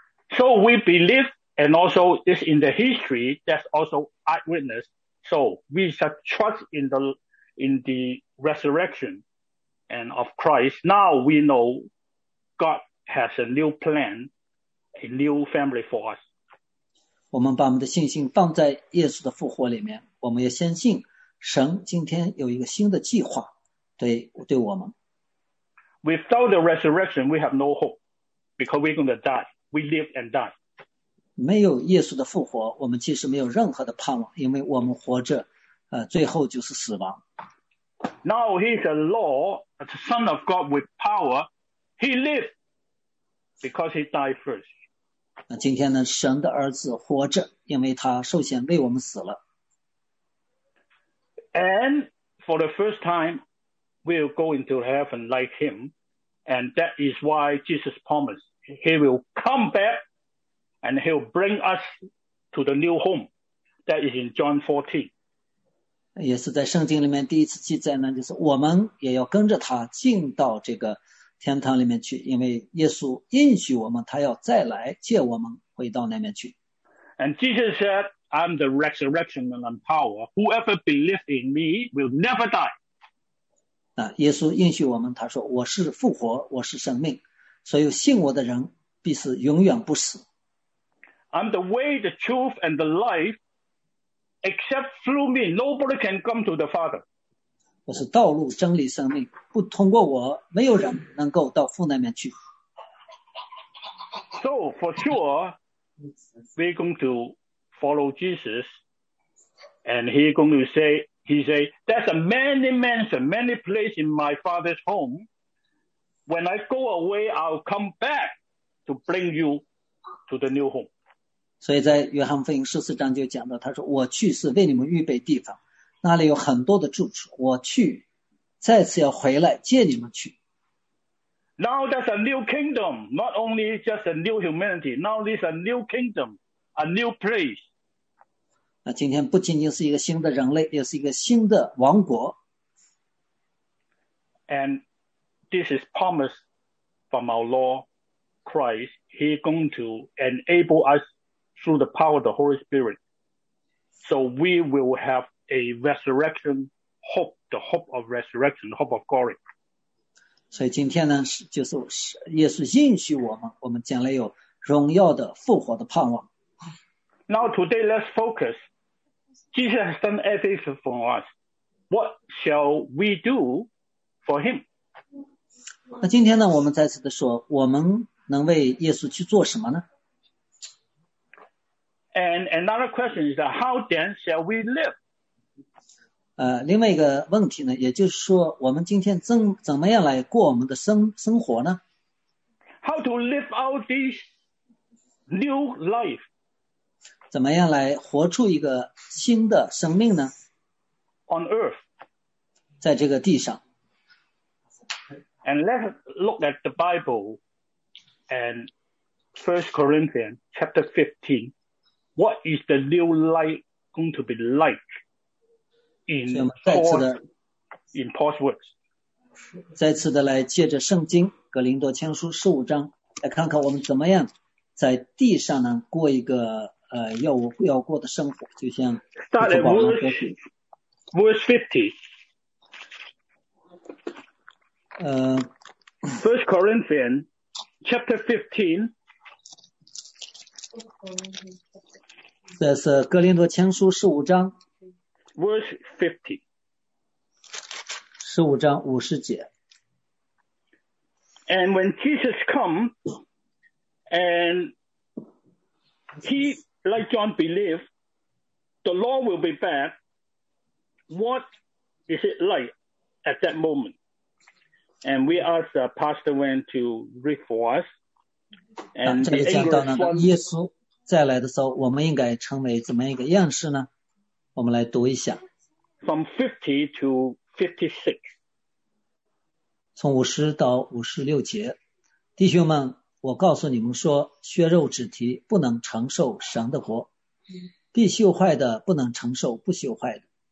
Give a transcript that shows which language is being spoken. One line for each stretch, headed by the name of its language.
English: So we believe and also it's in the history that's also eyewitness. So we should trust in the resurrection and of Christ. Now we know God has a new plan, a new family for us.
Chinese: 我们把我们的信心放在耶稣的复活里面，我们也相信神今天有一个新的计划对我们。
English: Without the resurrection, we have no hope because we're going to die. We live and die.
Chinese: 没有耶稣的复活，我们其实没有任何的盼望，因为我们活着，最后就是死亡。
English: Now he's a Lord, the Son of God with power. He lived because he died first.
Chinese: 那今天呢，神的儿子活着，因为他受洗为我们死了。
English: And for the first time, we'll go into heaven like him, and that is why Jesus promised he will come back. And he'll bring us to the new home that is in John 14.
Chinese: 也是在圣经里面第一次记载呢，就是我们也要跟着他进到这个天堂里面去，因为耶稣应许我们，他要再来接我们回到那边去。
English: And Jesus said, I'm the resurrection and I'm power. Whoever believes in me will never die.
Chinese: 那耶稣应许我们，他说，我是复活，我是生命，所有信我的人必是永远不死。
English: I'm the way, the truth, and the life. Except through me, nobody can come to the Father.
Chinese: 我是道路、真理、生命。不通过我，没有人能够到父那边去。
English: So for sure, we're going to follow Jesus, and he's going to say, "He say, there's a many mansion, many place in my Father's home. When I go away, I'll come back to bring you to the new home."
Chinese: 所以在约翰福音十四章就讲到，他说我去是为你们预备地方，那里有很多的住处，我去再次要回来接你们去。
English: Now that's a new kingdom, not only just a new humanity, now this is a new kingdom, a new place.
Chinese: 那今天不仅仅是一个新的人类，也是一个新的王国。
English: And this is promised from our Lord Christ. He's going to enable usthrough the power of the Holy Spirit. So we will have a resurrection hope, the hope of resurrection, the hope of glory.
Chinese: 所以今天呢，就是耶稣应许我们，我们将来有荣耀的复活的盼望。
English: Now today, let's focus. Jesus has done everything for us. What shall we do for him?
Chinese: 那今天呢，我们再次的说，我们能为耶稣去做什么呢？
English: And another question is that how then shall we live?
Chinese: 另外一个问题呢，也就是说，我们今天怎么样来过我们的生活呢？
English: How to live out this new life?
Chinese: 怎么样来活出一个新的生命呢？
English: On earth,
Chinese: 在这个地上。
English: And let's look at the Bible and 1 Corinthians chapter 15. What is the new light going to be like in Paul's words?
Chinese: 再次的来借着圣经格林多前书十五章来看看我们怎么样在地上呢过一个要过的生活，就像
English: Start at verse 50. First Corinthians chapter 15.
Chinese: 这是格林多前书十五章
English: verse 50.
Chinese: 十五章五十节。
English: And when Jesus come, and he, like John believed, the law will be bad. What is it like at that moment? And we asked Pastor Wen to read for us. And
Chinese: 这里讲到呢，耶稣再来的时候，我们应该成为怎么一个样式呢？我们来读一下。
English: From 50 to 56.
Chinese: 从五十到五十六节，弟兄们，我告诉你们说，血肉之体不能承受神的国，必朽坏的不能承受不朽坏的。